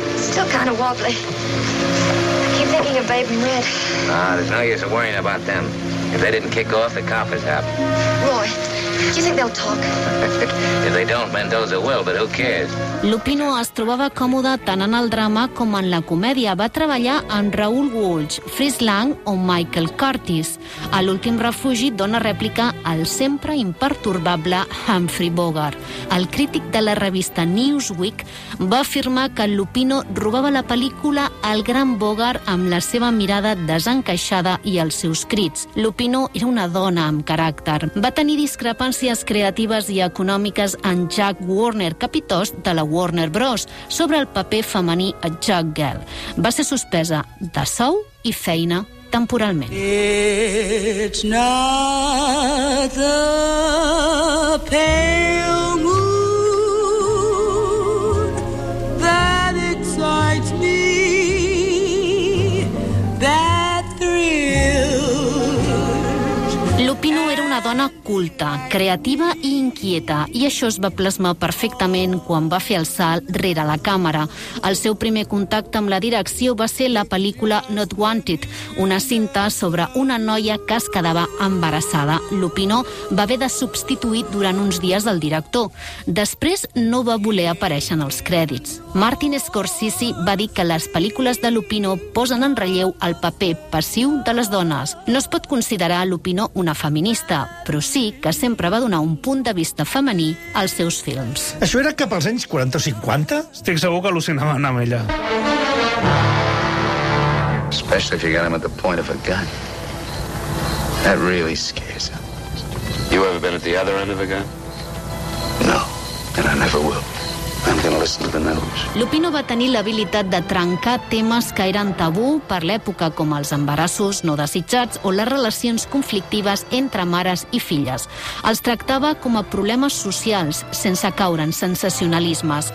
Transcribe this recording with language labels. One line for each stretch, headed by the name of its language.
English: Still kind of wobbly. I keep thinking of Babe and Red. There's no use of worrying about them. If they didn't kick off, the coppers happened. Roy, do you think they'll talk? If they don't, Mendoza will, but who cares?
Catalan: Lupino es trobava còmode tant en el drama com en la comèdia. Va treballar amb Raoul Walsh, Fritz Lang o Michael Curtis. A l'últim refugi dona rèplica al sempre impertorbable Humphrey Bogart. El crític de la revista Newsweek va afirmar que Lupino robava la pel·lícula al gran Bogart amb la seva mirada desencaixada i els seus crits. Lupino era una dona amb caràcter. Va tenir discrepàncies creatives i econòmiques amb Jack Warner, capitost de la Warner Bros, sobre el paper femení a Jack Gell. Va ser suspesa de sou i feina temporalment.
English: It's not the pale moon that excites me, that thrills.
Catalan: Lupino era una dona culta, creativa i inquieta, i això es va plasmar perfectament quan va fer el salt rere la càmera. El seu primer contacte amb la direcció va ser la pel·lícula Not Wanted, una cinta sobre una noia que es quedava embarassada. Lupino va haver de substituir durant uns dies el director. Després no va voler aparèixer en els crèdits. Martin Scorsese va dir que les pel·lícules de Lupino posen en relleu el paper passiu de les dones. No es pot considerar Lupino una feminista, però sí que sempre va donar un punt de vista femení als seus films. Això era cap als anys 40 o 50? Estic segur que al·lucinava amb ella.
English: Especially if you got him at the point of a gun. That really scares him. You ever been at the other end of a gun? No, and I never will.
Catalan: Lupino va tenir l'habilitat de trencar temes que eren tabú per l'època, com els embarassos no desitjats o les relacions conflictives entre mares i filles. Els tractava com a problemes socials, sense caure en sensacionalismes.